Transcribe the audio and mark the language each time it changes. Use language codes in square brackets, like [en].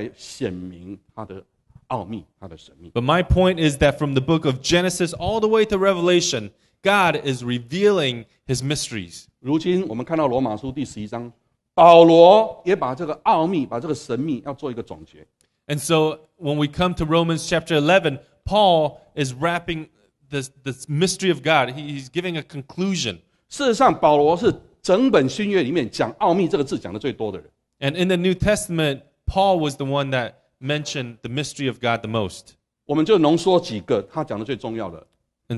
[zh] 我要讲的是什么？从创世纪到启示录，都是上帝在显明他的奥秘，他的神秘。 [en] But my point is that from the book of Genesis all the way to Revelation, God is revealing his mysteries. [zh] 如今我们看到罗马书第十一章，保罗也把这个奥秘，把这个神秘要做一个总结。 [en] And so when we come to Romans chapter 11, Paul is wrapping This mystery of God. He's giving a conclusion. [zh] 事实上，保罗是整本新约里面讲奥秘这个字讲的最多的人。 [en] And in the New Testament, Paul was the one that mentioned the mystery of God the most. [zh] 我们就浓缩几个他讲的最重要的。 [en] And